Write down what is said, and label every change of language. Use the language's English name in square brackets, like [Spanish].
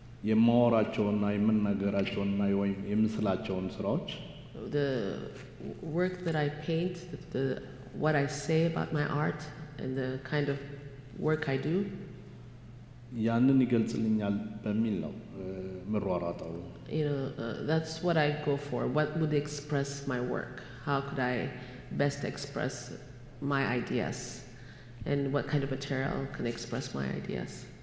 [Amharic] የማወራቸውና የምናገራቸውና ወይም የምስላቸውን ስራዎች [English] the work that I paint the what I say about my art and the kind of work I do [Amharic] ያንን ይገልጽልኛል በሚል ነው ምሯራጣው [English] you know that's what I go for what would express my work how could I best express my ideas and what kind of material can express my ideas